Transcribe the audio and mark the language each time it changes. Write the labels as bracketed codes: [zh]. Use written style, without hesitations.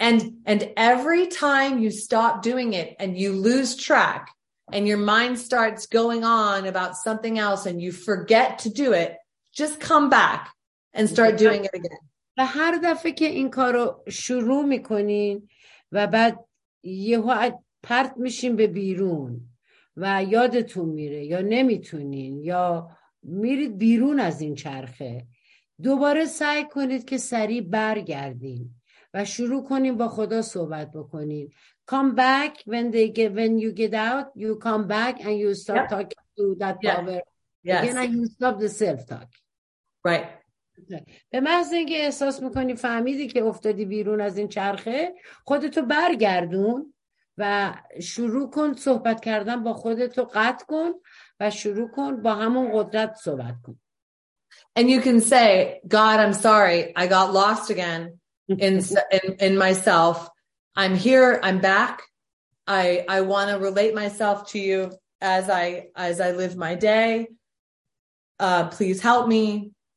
[en] And every time you stop doing it and you lose track and your mind starts going on about something else and you forget to do it, just come back and start doing it again. [fa] و هر دفعه که این کارو شروع میکنین و بعد یهو پرت میشین به بیرون و یادتون میره یا نمیتونین یا میرید بیرون از این چرخه، دوباره سعی کنید که سریع برگردین و شروع کنین با خدا صحبت بکنین. [en] Come back when you get out, you come back and you start yep. talking to that yep. power. Yes. Again, and you stop the self-talk. Right. [fa] به محض اینکه احساس میکنی فهمیدی که افتادی بیرون از این چرخه، خودتو برگردون و شروع کن صحبت کردن با خودتو، قطع کن و شروع کن با همون قدرت صحبت کن. [en] And you can say, God, I'm sorry, I got lost again. In myself, I'm here, I'm back. I want to relate myself to you as I live my day. Please help me.